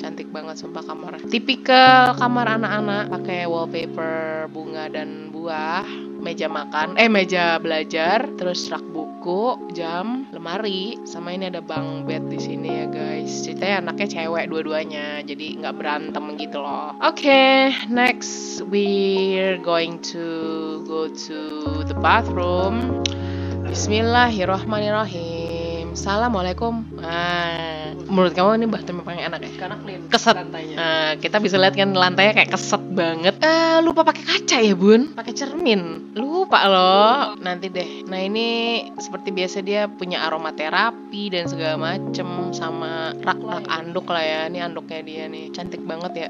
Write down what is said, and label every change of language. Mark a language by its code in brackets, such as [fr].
[id] Cantik banget sumpah kamarnya. Tipikal kamar anak-anak. Pakai wallpaper bunga dan buah. Meja belajar. Terus rak buku, jam, lemari. Sama ini ada bunk bed di sini ya guys. Ceritanya anaknya cewek dua-duanya. Jadi gak berantem gitu loh. [en] Okay, next we're going to go to the bathroom. [ar] Bismillahirrahmanirrahim. Assalamualaikum. [id] menurut kamu ini bathroom yang paling enak ya? Karena clean, keset lantainya. Kita bisa lihat kan lantainya kayak keset banget. Lupa pakai kaca ya bun? Pakai cermin. Lupa loh. Nanti deh. Nah ini seperti biasa dia punya aromaterapi dan segala macem sama rak-rak anduk lah ya. Ini anduknya dia nih. Cantik banget ya.